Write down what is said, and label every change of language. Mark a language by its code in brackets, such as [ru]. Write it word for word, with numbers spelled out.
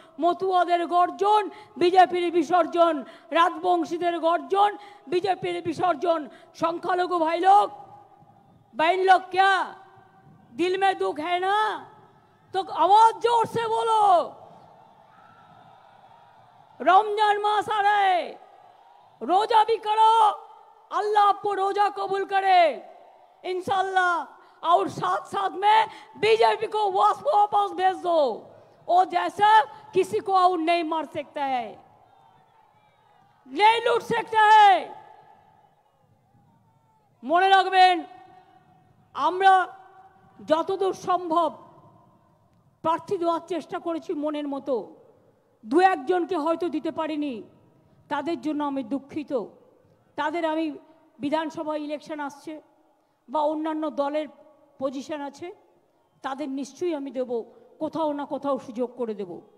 [bn] মতুয়াদের গর্জন, বিজেপির বিসর্জন। রাজবংশীদের গর্জন, বিজেপির বিসর্জন। [hi] সংখ্যালঘু ভাই লোক, বাইন লোক ক্যা দিল মে দুঃখ হ্যায় না, তো আওয়াজ जोर से बोलो। रमजान मास आ रहा है, रोजा भी करो, अल्लाह आपको रोजा कबूल करे इंशाल्लाह। और साथ साथ में बीजेपी को वापस भेज दो, वो जैसा किसी को और नहीं मार सकता है, नहीं लूट सकता है। [bn] মনে রাখবেন, আমরা যতদূর সম্ভব প্রার্থী দেওয়ার চেষ্টা করেছি মনের মতো। দু একজনকে হয়তো দিতে পারিনি, তাদের জন্য আমি দুঃখিত। তাদের আমি বিধানসভা ইলেকশন আসছে বা অন্যান্য দলের পজিশন আছে, তাদের নিশ্চয়ই আমি দেব, কোথাও না কোথাও সুযোগ করে দেব।